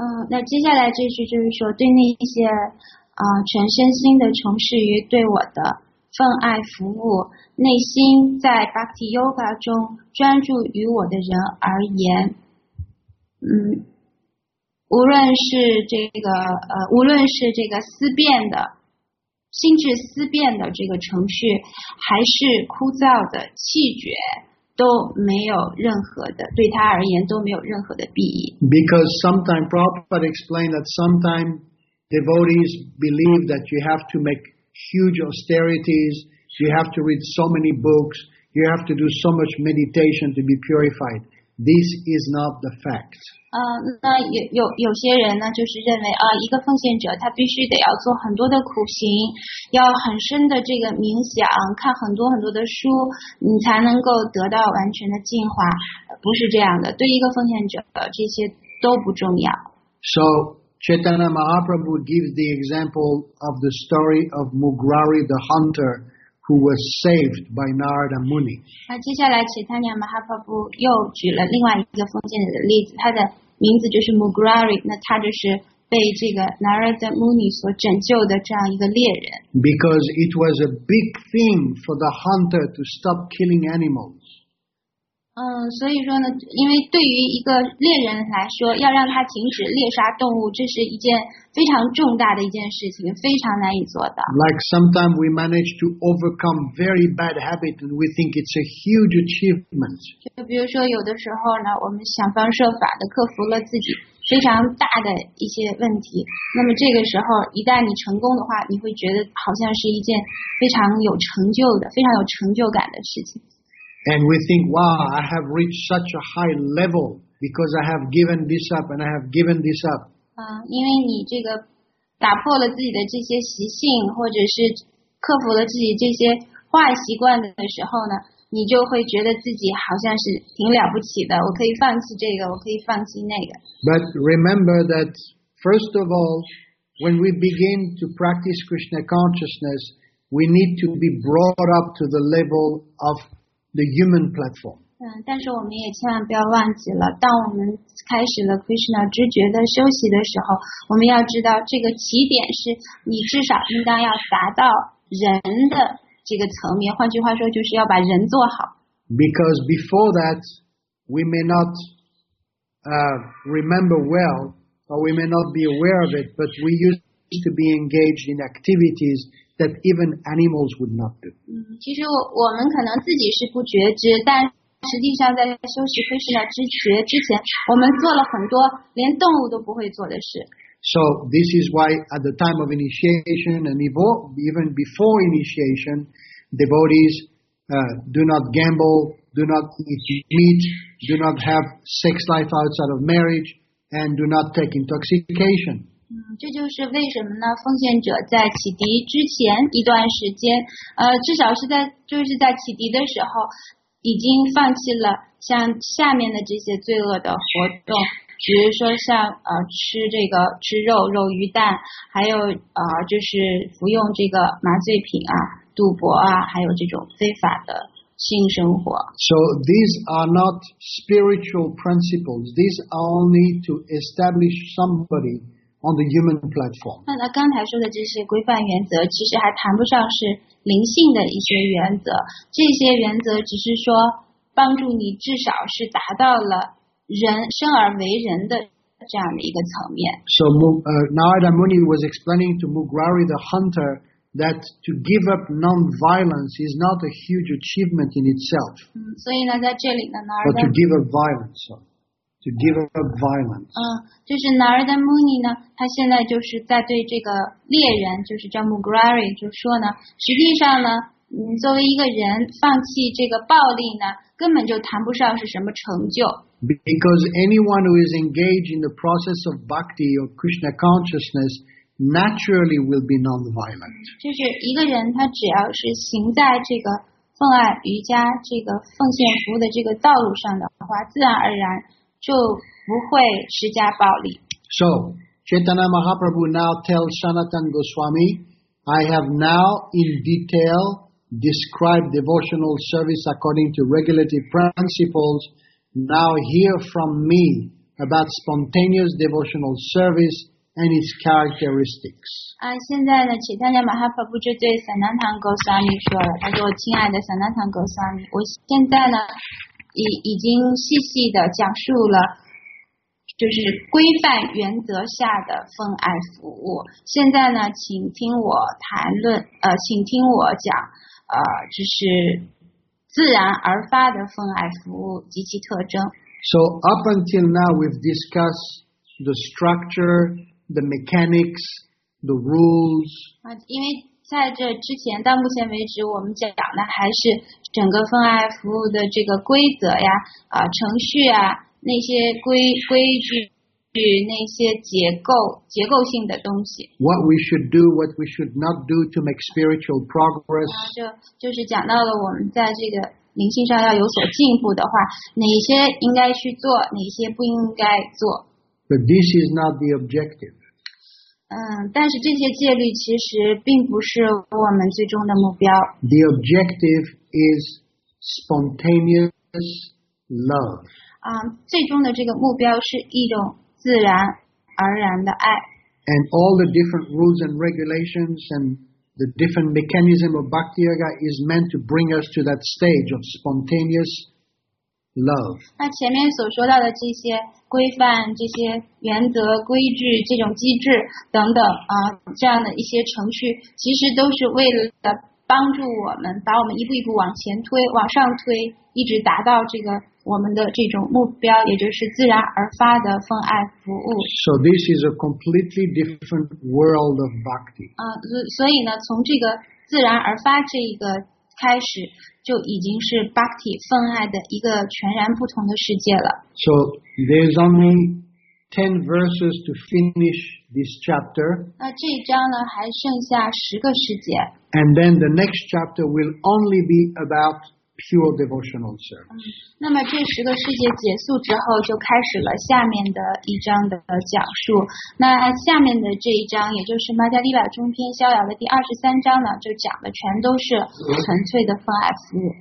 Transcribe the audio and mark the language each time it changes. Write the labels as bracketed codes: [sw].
[zh] 那接下来这句就是说，对那一些全身心的从事于对我的奉爱服务，内心在 Bhakti Yoga 中专注于我的人而言，无论是这个思辨的。心智思辨的这个程序还是枯燥的气绝都没有任何的对他而言都没有任何的裨益。 [en] Because sometimes Prabhupada explained that sometimes devotees believe that you have to make huge austerities, you have to read so many books, you have to do so much meditation to be purified. This is not the fact. [zh] 那有些人呢就是认为一个奉献者他必须得要做很多的苦行，要很深的这个冥想，看很多很多的书，你才能够得到完全的净化。不是这样的，对一个奉献者这些都不重要。 [en] So, Chaitanya Mahaprabhu gives the example of the story of Mugrari the hunter who was saved by Narada Muni. [zh] 接下来 Chaitanya Mahaprabhu 又举了另外一个奉献者的例子，他的名字就是 Mugrari, 那他就是被这个 Narada Muni 所拯救的这样一个猎人。 [en] Because it was a big thing for the hunter to stop killing animals. [zh] 所以说呢，因为对于一个猎人来说，要让他停止猎杀动物，这是一件非常重大的一件事情，非常难以做到。 [en] Like sometimes we manage to overcome very bad habits and we think it's a huge achievement. [zh] 就比如说有的时候呢，我们想方设法的克服了自己非常大的一些问题，那么这个时候一旦你成功的话，你会觉得好像是一件非常有成就的，非常有成就感的事情。 [en] And we think, wow, I have reached such a high level. Because I have given this up and I have given this up. [zh] 因为你这个打破了自己的这些习性，或者是克服了自己这些坏习惯的时候呢，你就会觉得自己好像是挺了不起的，我可以放弃这个，我可以放弃那个。 [en] But remember that first of all, when we begin to practice Krishna consciousness, we need to be brought up to the level of the human platform. [zh] 但是我们也千万不要忘记了，当我们开始了 Krishna 知觉的修习的时候，我们要知道这个起点是你至少应当要达到人的这个层面，换句话说就是要把人做好。 [en] Because before that, we may not remember well, or we may not be aware of it, but we used to be engaged in activities that even animals would not do. [zh] 其实我们可能自己是不觉知，但实际上在修习Krishna知觉之前，我们做了很多连动物都不会做的事。 [en] So this is why at the time of initiation and even before initiation, devotees do not gamble, do not eat meat, do not have sex life outside of marriage, and do not take intoxication. [zh] 这就是为什么呢？奉献者在启迪之前一段时间，至少是在就是在启迪的时候，已经放弃了像下面的这些罪恶的活动。比如说像吃这个吃肉肉鱼蛋，还有就是服用这个麻醉品啊，赌博啊，还有这种非法的性生活。 [en] So these are not spiritual principles. These are only to establish somebody on the human platform. [zh] 那刚才说的这些规范原则，其实还谈不上是灵性的一些原则。这些原则只是说帮助你至少是达到了人生而为人的这样的一个层面。 [en] So Narada Muni was explaining to Mugrari the hunter that to give up non-violence is not a huge achievement in itself. [zh] 所以呢，在这里呢 ，Narada [en] Muni. But to give up violence, to give up violence. [zh] 就是 Narada Muni 呢，他现在就是在对这个猎人，就是叫 Mugrari， 就说呢，实际上呢，作为一个人放弃这个暴力呢，根本就谈不上是什么成就。 [en] Because anyone who is engaged in the process of bhakti or Krishna consciousness naturally will be non-violent. [zh] 就是一个人，他只要是行在这个奉爱瑜伽、这个奉献服务的这个道路上的话，自然而然就不会施加暴力。 [en] So, Chaitanya Mahaprabhu now tells Sanatan Goswami, "I have now in detail described devotional service according to regulative principles." Now hear from me about spontaneous devotional service and its characteristics. [zh] 现在呢，启丹尼马哈佛布就对萨南坦戈萨米说了，他说：“亲爱的萨南坦戈萨米，我现在呢，已经细细的讲述了，就是规范原则下的奉爱服务。现在呢，请听我谈论，请听我讲，就是。” 自然而发的奉爱服务及其特征。 [en] So up until now we've discussed the structure, the mechanics, the rules. [zh] 因为在这之前，到目前为止，我们讲的还是整个奉爱服务的这个规则呀、程序啊，那些规矩，那些结构性的东西。 [en] What we should do, what we should not do to make spiritual progress. [zh] 就是讲到了我们在这个灵性上要有所进步的话，哪些应该去做，哪些不应该做。 [en] But this is not the objective. [zh] 但是这些戒律其实并不是我们最终的目标。 [en] The objective is spontaneous love. [zh] 最终的这个目标是一种自然而然的爱。 [en] And all the different rules and regulations and the different mechanism of bhakti yoga is meant to bring us to that stage of spontaneous love. [zh] 那前面所说到的这些规范、这些原则、规矩、这种机制等等啊，这样的一些程序，其实都是为了帮助我们，把我们一步一步往前推、往上推，一直达到这个。我们的这种目标，也就是自然而发的奉爱服务。 [en] So this is a completely different world of bhakti. [zh] 所以呢，从这个自然而发这一个开始就已经是 Bhakti 分爱的一个全然不同的世界了。 [en] So there's only 10 verses to finish this chapter. [zh] 那这一章呢还剩下十个世界。 [en] And then the next chapter will only be about pure devotional service. [zh] 那么这十个世界结束之后就开始了下面的一章的讲述。那下面的这一章也就是玛加利亚中篇逍遥的第23章呢就讲的全都是纯粹的奉爱服务。